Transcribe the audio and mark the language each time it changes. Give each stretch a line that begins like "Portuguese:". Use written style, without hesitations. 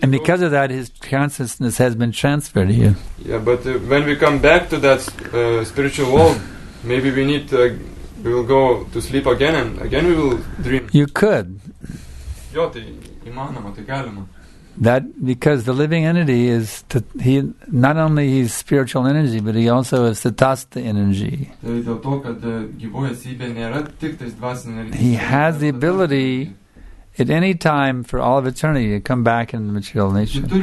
English: and because of that, his consciousness has been transferred here. Yeah, but when we come back to that spiritual world, maybe we need to, we will go to sleep again, and again we will dream. You could.
Lithuanian: Jo, tai įmanoma, tai galima.
English: That because the living entity is he not only his spiritual energy, but he also is the tattva energy.
Lithuanian: Tai dėl to, kad gyvoji esybė nėra tik tais dvasinė energija.
English: He has the ability at any time for all of eternity to come back in the material nature.